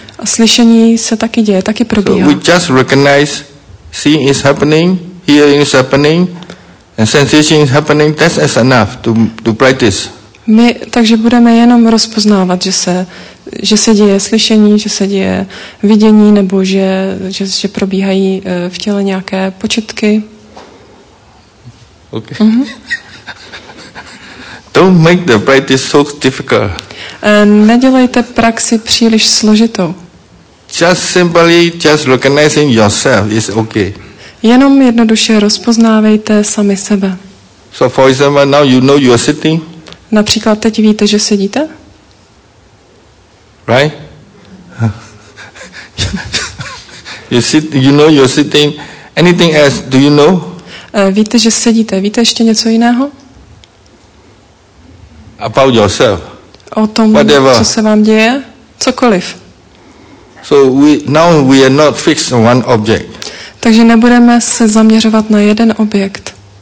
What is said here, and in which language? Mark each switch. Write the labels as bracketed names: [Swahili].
[Czech] A slyšení se taky děje, taky probíhá. [English] So we just recognize seeing is happening, hearing is happening, and sensation is happening. That's enough to practice. [Czech] My takže budeme jenom rozpoznávat, že se děje slyšení, že se děje vidění, nebo že probíhají v těle nějaké početky. [English] Okay. Mm-hmm. Don't make the practice so difficult. [Czech] Nedělejte praxi příliš složitou. [English] Just simply, just recognizing yourself is okay. [Czech] Jenom jednoduše rozpoznávejte sami sebe. [English] So for example, now you know you are sitting. [Czech] Například teď víte, že sedíte? [English] Right? You sit, you know you're sitting. Anything else, do you know? [Czech] Víte, že sedíte. Víte ještě něco jiného? [English] About yourself. [Czech] O tom, [English] whatever. [Czech] Co se vám děje? Cokoliv. [English] So we, now we are not fixed on one object. [Czech] Takže nebudeme se zaměřovat na jeden objekt.